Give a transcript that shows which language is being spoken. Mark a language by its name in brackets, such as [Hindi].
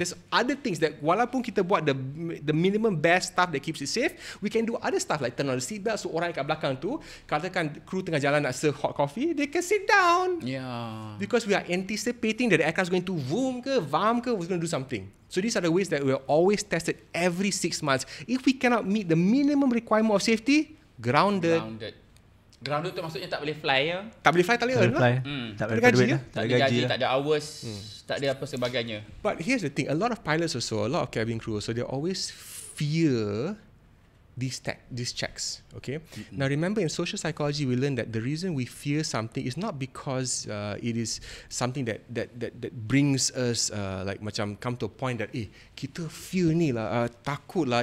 [English] There's other things that [Malay] walaupun kita buat [English] the minimum best stuff that keeps it safe, we can do other stuff like turn on the seat belt. So [Malay] orang kat belakang tu, katakan crew tengah jalan nak [English] serve hot coffee, they can sit down. Yeah. Because we are anticipating that the aircraft is going to vroom ke, vam ke, we're going to do something. So these are the ways that we are always tested every 6 months. If we cannot meet the minimum requirement of safety, grounded. [Malay] Grounded tu maksudnya tak boleh fly ya? Tak boleh fly, tak boleh earn lah. Tak ada gaji ke? Tak ada gaji, tak ada hours, tak ada apa sebagainya. [English] But here's the thing, a lot of pilots also, a lot of cabin crew also, they always fear these checks. Okay. Mm-hmm. Now remember, in social psychology, we learn that the reason we fear something is not because it is something that brings us like macam come to a point that [Malay] kita fear ni lah, takut lah.